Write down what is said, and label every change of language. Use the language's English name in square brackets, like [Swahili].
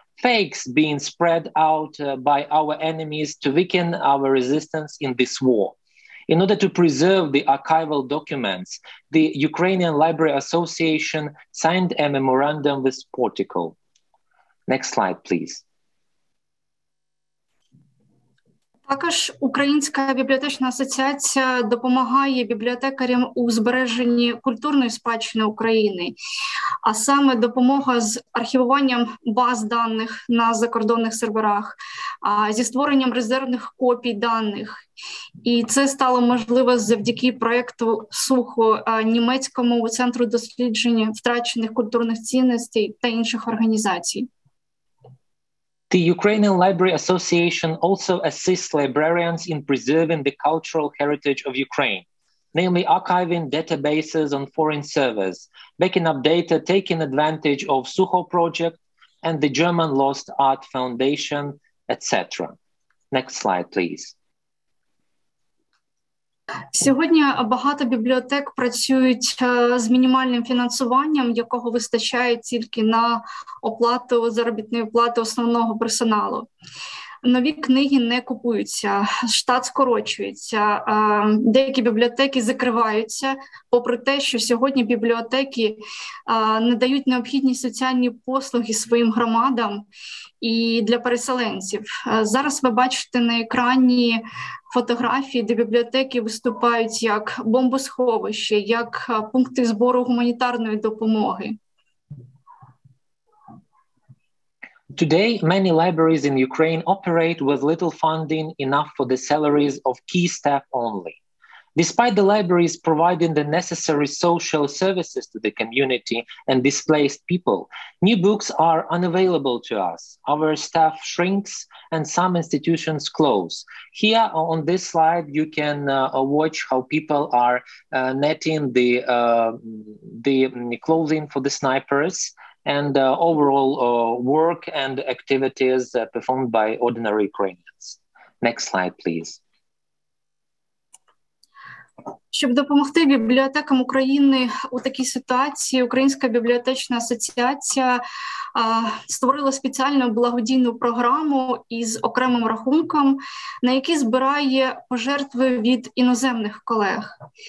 [English] Fakes being spread out by our enemies to weaken our resistance in this war. In order to preserve the archival documents, the Ukrainian Library Association signed a memorandum with Portico. Next slide, please. [Ukrainian] Також Українська бібліотечна асоціація допомагає бібліотекарям у збереженні культурної спадщини України, а саме допомога з архівуванням баз даних на закордонних серверах, зі створенням резервних копій даних. І це стало можливо завдяки проєкту «Сухо» Німецькому центру дослідження втрачених культурних цінностей та інших організацій. [English] The Ukrainian Library Association also assists librarians in preserving the cultural heritage of Ukraine, namely archiving databases on foreign servers, backing up data, taking advantage of Sucho Project and the German Lost Art Foundation, etc. Next slide, please. [Ukrainian] Сьогодні багато бібліотек працюють з мінімальним фінансуванням, якого вистачає тільки на оплату заробітної плати основного персоналу. Нові книги не купуються, штат скорочується, деякі бібліотеки закриваються, попри те, що сьогодні бібліотеки надають необхідні соціальні послуги своїм громадам і для переселенців. Зараз ви бачите на екрані фотографії, де бібліотеки виступають як бомбосховище, як пункти збору гуманітарної допомоги. [English] Today, many libraries in Ukraine operate with little funding enough for the salaries of key staff only. Despite the libraries providing the necessary social services to the community and displaced people, new books are unavailable to us. Our staff shrinks and some institutions close. Here on this slide, you can watch how people are netting the clothing for the snipers and overall work and activities performed by ordinary Ukrainians. Next slide, please. [Ukrainian] Щоб допомогти бібліотекам України у такій ситуації, Українська бібліотечна асоціація створила спеціальну благодійну програму із окремим рахунком, на який збирає пожертви від іноземних колег.